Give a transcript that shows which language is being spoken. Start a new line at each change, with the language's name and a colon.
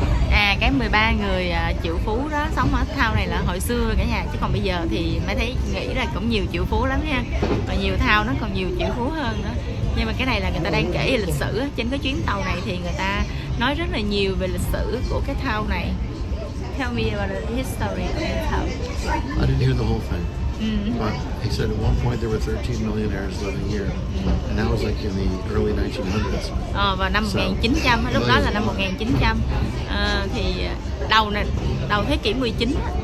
Vietnamese: À, cái 13 người triệu phú đó sống ở thao này là hồi xưa cả nhà, chứ còn bây giờ thì Mai thấy nghĩ là cũng nhiều triệu phú lắm nha. Và nhiều thao nó còn nhiều triệu phú hơn nữa. Nhưng mà cái này là người ta đang kể về lịch sử. Trên cái chuyến tàu này thì người ta nói rất là nhiều về lịch sử của cái town này.
English: Tell me about the history of the town. I didn't hear the whole thing. But he said at one point there were 13 millionaires living here. And that was like in the early 1900s.
Vietnamese: Vào năm 1900, lúc đó là năm 1900. Thì đầu thế kỷ 19,